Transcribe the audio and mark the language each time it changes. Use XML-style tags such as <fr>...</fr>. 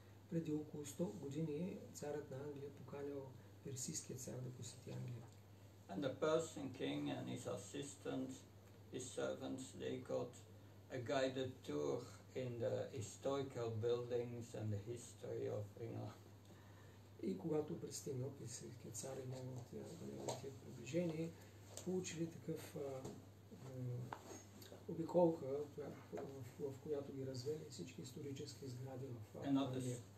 <bg>Преди около 100 години царът на Англия поканил персийския цар да посети Англия.</bg> <en>And the Persian king and his assistants, his servants, they got a guided tour in the historical buildings and the history of England.</en> <bg>И когато пристигнал персийския цар и неговите приближени, получили такъв обиколка, в която ги развели всички исторически сгради в Англия.</bg>